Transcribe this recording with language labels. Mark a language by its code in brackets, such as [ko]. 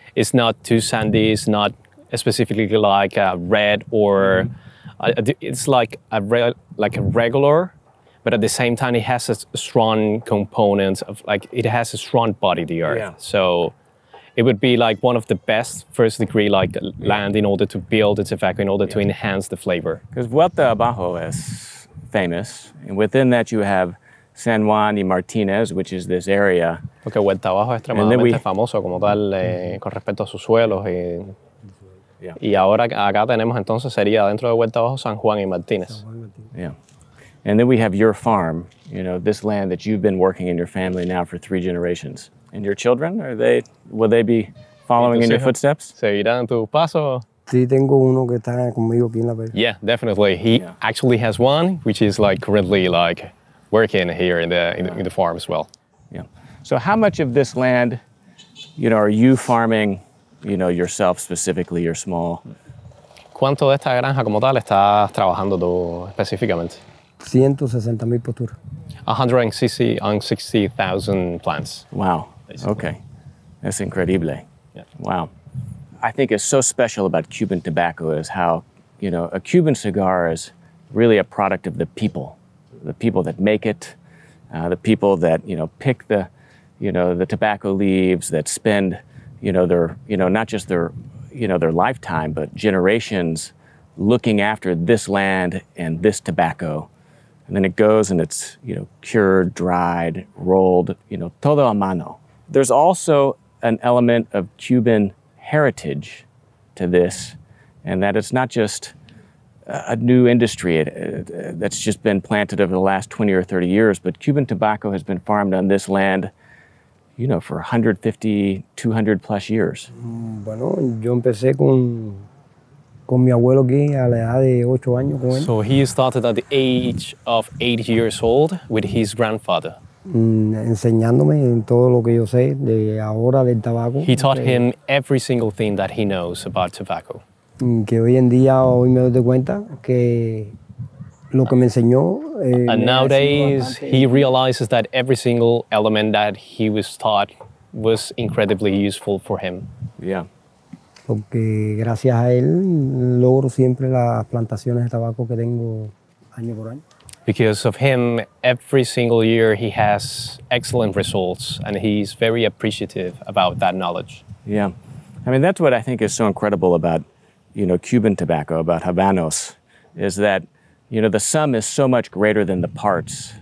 [en] It's not too sandy, it's not specifically like a red or, it's like a regular, but at the same time it has a strong component of like, it has a strong body, the earth. Yeah. So it would be like one of the best first degree like land in order to build its effect, in order yeah. to enhance the flavor. Because Vuelta Abajo is famous, and within that you have San Juan y Martinez, which is this area. [es] Porque Vuelta Abajo es extremadamente famoso como tal con respecto a sus suelos. Y, [en] yeah. [es] y ahora acá tenemos entonces sería dentro de Vuelta Abajo San Juan y Martinez. San Juan y Martinez. Yeah. [en] And then we have your farm, you know, this land that you've been working in your family now for three generations. And your children, will they be following entonces, in your footsteps? [es] ¿Seguirán en tu paso? Sí, tengo uno que está conmigo aquí en la playa. [en] Yeah, definitely. He yeah. actually has one, which is like currently like working here in the farm as well. Yeah. So how much of this land, you know, are you farming, you know, yourself specifically, your small? [es] ¿Cuánto de esta granja como tal estás trabajando tú específicamente? 160,000 posturas. [en] 160,000 plants. Wow. Basically. Okay. That's incredible. Yeah. Wow. I think it's so special about Cuban tobacco is how, you know, a Cuban cigar is really a product of the people that make it, the people that, you know, pick the, you know, the tobacco leaves, that spend, you know, their, you know, not just their, you know, their lifetime, but generations looking after this land and this tobacco. And then it goes and it's, you know, cured, dried, rolled, you know, [es] todo a mano. [en] There's also an element of Cuban heritage to this, and that it's not just a new industry that's just been planted over the last 20 or 30 years, but Cuban tobacco has been farmed on this land you know, for 150, 200 plus years. [es] Bueno, yo empecé con mi abuelo aquí a la edad de 8 años con él. [en] So he started at the age of 8 years old with his grandfather. [es] Enseñándome en todo lo que yo sé de ahora del tabaco. [en] He taught him every single thing that he knows about tobacco. [es] Que hoy en día hoy me doy cuenta que lo que me enseñó. [en] And nowadays he realizes that every single element that he was taught was incredibly useful for him. Yeah. [es] Porque gracias a él logro siempre las plantaciones de tabaco que tengo año por año. [en] Because of him, every single year he has excellent results, and he's very appreciative about that knowledge. Yeah, I mean, that's what I think is so incredible about, you know, Cuban tobacco, about Habanos, is that, you know, the sum is so much greater than the parts.